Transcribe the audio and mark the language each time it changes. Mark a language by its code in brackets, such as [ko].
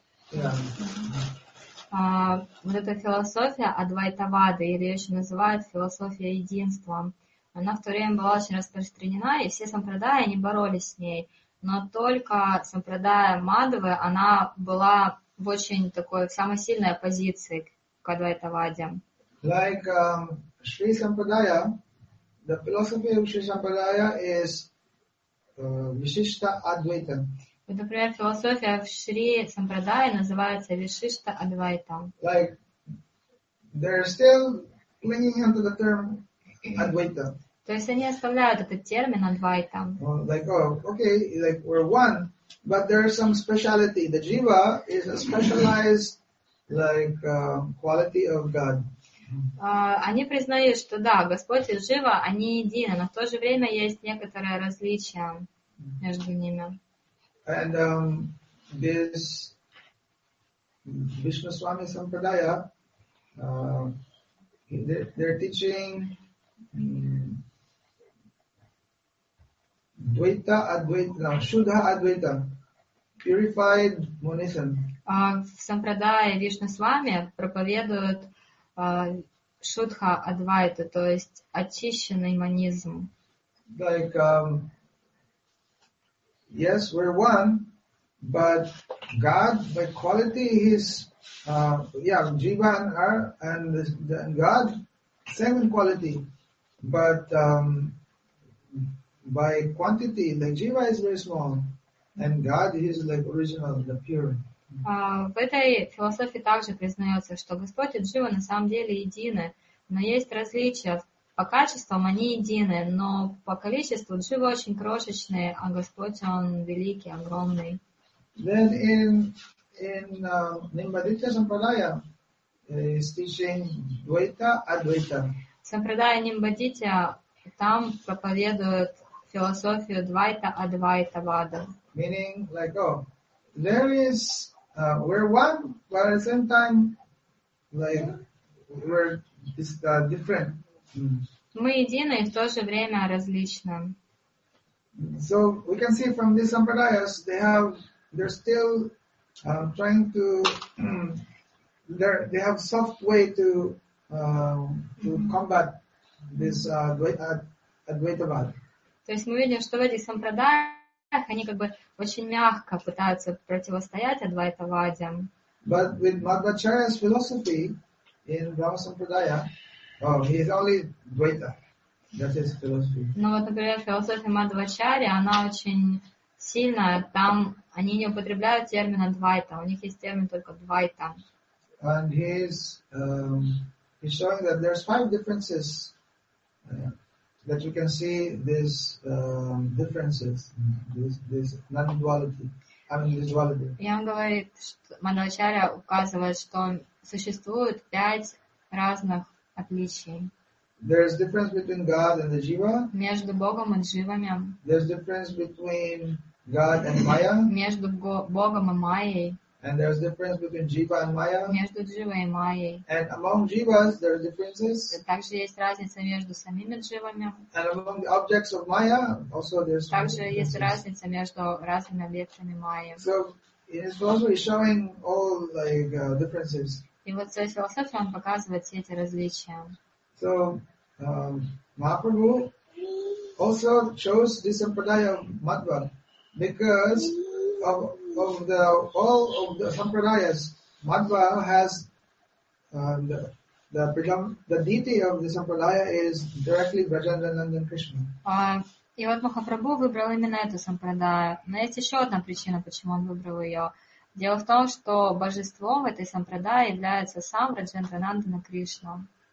[ru] вот эта философия Адвайтавады, или ее еще называют философия единства, она в то время была очень распространена, и все сампрадаи они боролись с ней, но только сампрадая Мадхвы, она была в очень такой в самой сильной оппозиции к Адвайтаваде. [en] Like Sri Sampradaya, the philosophy of Sri Sampradaya is Vishishta Advaita. [ru] Вот, например, философия в Шри Сампрадае называется Вишишта Адвайта. [en] Like they're still clinging onto the term Advaita. [ru] То есть они оставляют этот термин Адвайта. [en] Like like we're one, but there is some speciality. The jiva is a specialized like quality of God. [ru] Они признают, что да, Господь и Джива, они едины, но в то же время есть некоторое различие между ними. [en] And this Vishnu Swami Sampradaya, they're teaching Dvaita Advaita, Shuddha Advaita, purified monism. [ru] В Сампрадае Вишну Свами проповедуют Шудха Адвайта, то есть очищенный монизм. [en] Like, yes, we're one, but God, by quality, he's, Jiva and God, same in quality, but by quantity, like Jiva is very small, and God, he's like original, the pure. [ru] В этой философии также признается, что Господь и Джива на самом деле едины, но есть различия. По качествам они едины, но по количеству Джива очень крошечные, а Господь он великий, огромный. [en] Then in Nimbaditya Sampradaya is teaching Dvaita Advaita. [ru] В Сампрадае Нимбадитья там проповедуют философию Двайта Адвайта Вада. [en] Meaning like there is we're one, but at the same time, like we're just different. [ru] Мы едины и в то же время различны. [en] So we can see from these sampradayas, they're still trying to, they have soft way to combat this Advaitavad. [ru] То есть мы видим, что в этих сампрадаях они как бы очень мягко пытаются противостоять Адвайтавадам. [en] But with Madhvacharya's philosophy in Brahma Sampradaya, he is only Dvaita. That's his philosophy. [ru] Но вот, например, философия Мадхвачарья, она очень сильная. Там они не употребляют термина Двайта. У них есть термин только Двайта. [en] And he's showing that there's five differences. That you can see these differences, this non-duality, this duality. [ru] Ян говорит, Мадхвачарья указывает, что существует пять разных отличий. [en] There is difference between God and the jiva. [ru] Между Богом и дживами. [en] There is difference between God and Maya. [ru] Между Богом и Майей. [en] And there is difference between jiva and Maya. [ru] Между дживой и Майей. [en] And among jivas there are differences. [ru] Также есть разница между самими дживами. [en] And among the objects of Maya also there's [ru] также есть разница между разными объектами Майи. [en] So it is also showing all like differences. [ru] И вот своей философией он показывает все эти различия. [en] So, Mahaprabhu also chose this sampradaya Madhva because of all of the sampradayas. Madhva has the deity of the sampradaya is directly Vrajananandan Krishna. [ru] И вот Махапрабху выбрал именно эту сампрадаю. Но есть еще одна причина, почему он выбрал ее. Дело в том, что божеством этой сампрадаи является сам Раджендранандана Кришна.